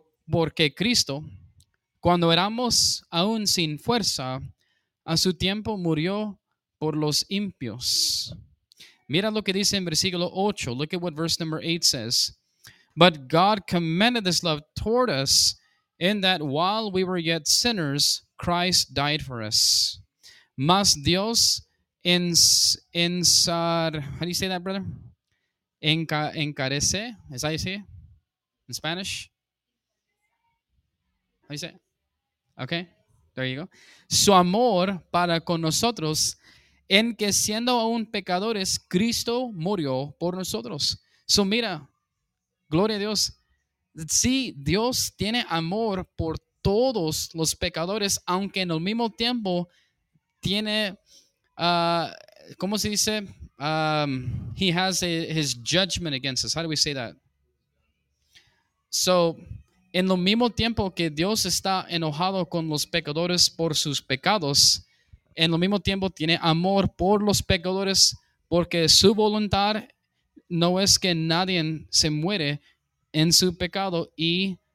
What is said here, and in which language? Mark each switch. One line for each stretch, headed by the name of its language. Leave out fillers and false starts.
Spanish: Porque Cristo, cuando éramos aún sin fuerza, a su tiempo murió por los impios. Mira lo que dice en versículo 8.
English: Look at what verse number 8 says. But God commended this love toward us, in that while we were yet sinners, Christ died for us.
Spanish: Mas Dios
English: how do you say that, brother?
Spanish: Encarece,
English: is that how you say it? In Spanish? How do you say it? Okay, there you go.
Spanish: Su amor para con nosotros, en que siendo aún pecadores, Cristo murió por nosotros. So mira, gloria a Dios. Sí, Dios tiene amor por todos los pecadores, aunque en el mismo tiempo tiene, ¿cómo se dice?
English: He has his judgment against us. How do we say that?
Spanish: So, en el mismo tiempo que Dios está enojado con los pecadores por sus pecados, en el mismo tiempo tiene amor por los pecadores, porque su voluntad no es que nadie se muere en su pecado y